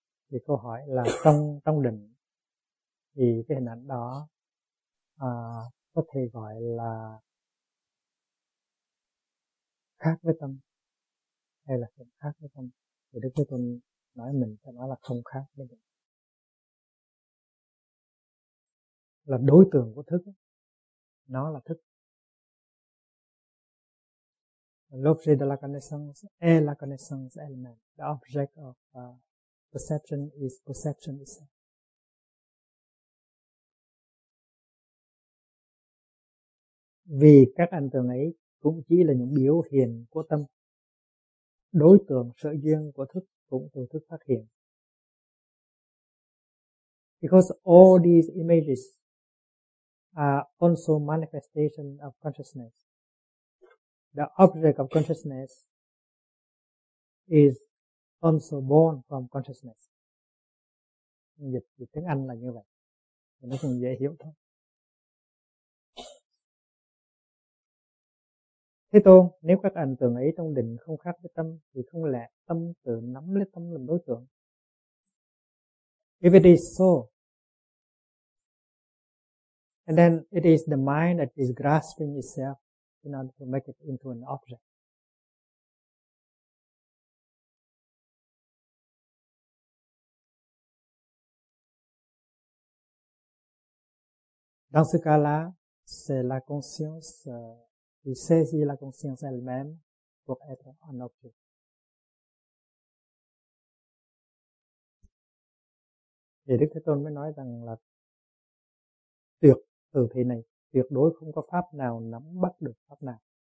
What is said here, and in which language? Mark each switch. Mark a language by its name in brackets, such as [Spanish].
[Vietnamese] Thì câu hỏi là trong định thì cái hình ảnh đó có thể gọi là khác với tâm hay là không khác với tâm? Thì Đức Thế Tôn nói mình sẽ nói là không khác với định, là đối tượng của thức nó là thức. [French] L'objet de la connaissance est la connaissance elle-même. [English] The object of perception is perception itself. [Vietnamese] Vì các ảnh tượng ấy cũng chỉ là những biểu hiện của tâm. Đối tượng sở duyên của thức cũng từ thức phát hiện. [English] Because all these images are also manifestation of consciousness. The object of consciousness is also born from consciousness. [Vietnamese] Dịch tiếng Anh là như vậy. Nó cũng dễ hiểu thôi. Thế Tôn, nếu các ảnh tượng ấy trong định không khác với tâm, thì không lẽ tâm tự nắm lấy tâm làm đối tượng? [English] If it is so, and then it is the mind that is grasping itself in order to make it into an object. [French] Dans ce cas-là, c'est la conscience qui saisit la conscience elle-même pour être un objet. [Vietnamese] Thì Đức Thế Tôn mới nói rằng là tuyệt từ thị này, tuyệt đối không có pháp nào nắm bắt được pháp nào.